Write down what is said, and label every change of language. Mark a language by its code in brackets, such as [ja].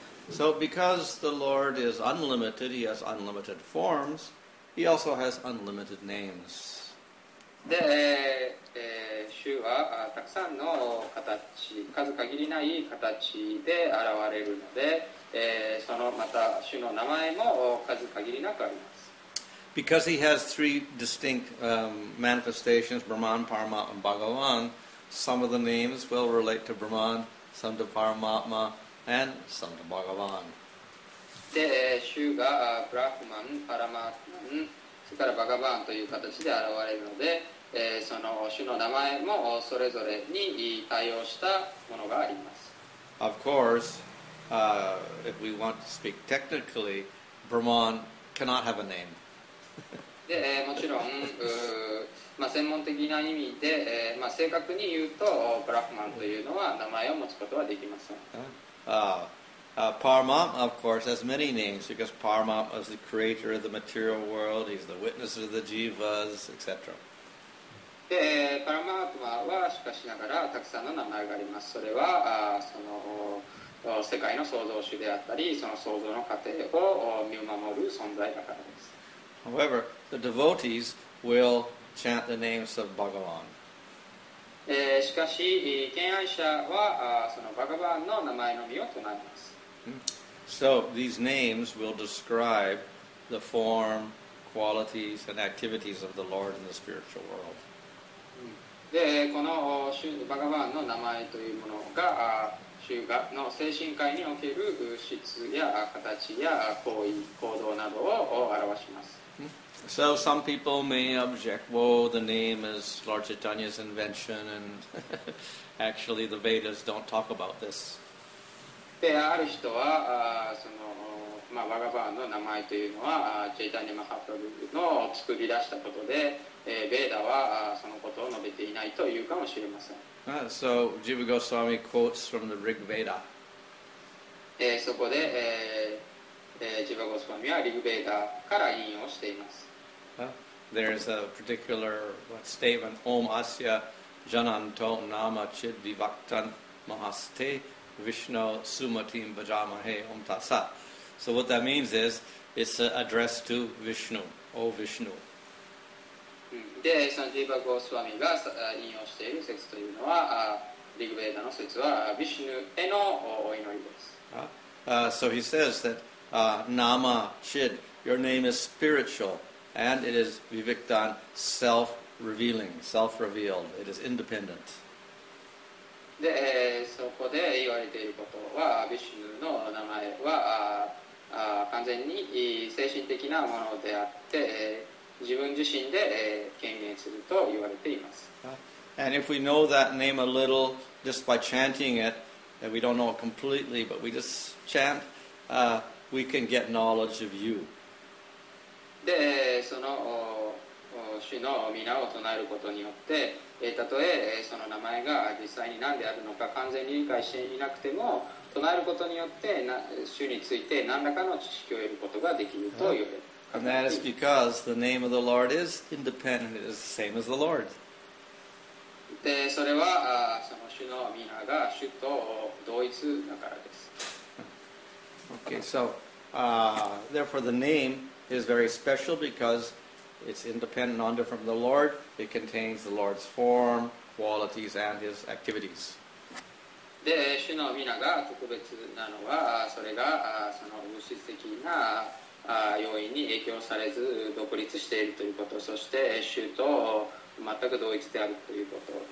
[en] So because the Lord is unlimited, he has unlimited forms, he also has unlimited names. [ja] で、主はたくさんの形、数限りない形で現れるので、そのまた主の名前も数限りなくあります。 [en] Because he has three distinct manifestations, Brahman, Parama, and Bhagavan, some of the names will relate to Brahman, some to Paramatma, and some to Bhagavan. [ja] で、主がブラフマン、パラマートマン、それからバガバーンという形で現れるので、その主の名前もそれぞれに対応したものがあります。 [en] Of course, if we want to speak technically, Brahman cannot have a name. [ja] で、もちろん、専門的な意味で、正確に言うと、ブラフマンというのは名前を持つことはできません。 [en] Paramatma, of course, has many names because Paramatma is the creator of the material world. He's the witness of the jivas, etc. [ja] Paramatma はしかしながらたくさんの名前があります。それはその世界の創造主であったり、その創造の過程を見守る存在だからです。 [en] However, the devotees will chant the names of Bhagavan. [ja] しかし、敬愛者はそのバガバンの名前のみを唱えます。 [en] So, these names will describe the form, qualities, and activities of the Lord in the spiritual world. [ja] で、このバガバンの名前というものが、主がの精神界における質や形や行為、行動などを表します。 [en] So some people may object, whoa, the name is Lord Chaitanya's invention and actually the Vedas don't talk about this. [ja] である人は、バガバーンの名前というのは、チェイタニア・マハプラブの作り出したことで、ベーダはそのことを述べていないというかもしれません。 [en] So Jiva Goswami quotes from the Rig Veda. [ja] そこで、Jiva Goswami はリグベーダから引用しています。 [en] There's a particular statement, [sa] Om Asya Jananto Nama Chid Vivaktan Mahaste Vishnu Sumatim Bajamahe Om Tassa. [en] So what that means is, it's addressed to Vishnu, O Vishnu. [ja] で、Sanjiva Goswami が引用している説というのは、リグベーダの説は、Vishnu へのお祈りです。 [en] So he says that, Nama Chid, your name is spiritual. And it is Vivaktan, self-revealing, self-revealed. It is independent. [ja] で、そこで言われていることは、ヴィシュヌの名前は完全に精神的なものであって、自分自身で顕現すると言われています。 [en] And if we know that name a little, just by chanting it, and we don't know it completely, but we just chant, we can get knowledge of you. [ja] で、その主の皆を唱えることによって、たとえその名前が実際に何であるのか完全に理解していなくても、唱えることによって主について何らかの知識を得ることができるという。 [en] And that is because the name of the Lord is independent, it is the same as the Lord. [ja] で、それはその主の皆が主と同一だからです。 [en] Okay, so, therefore the name... is very special because it's independent on different from the Lord. It contains the Lord's form, qualities, and his activities. [ja] で、主の皆が特別なのは、それがその物質的な要因に影響されず独立しているということ、そして主と全く同一であるということ。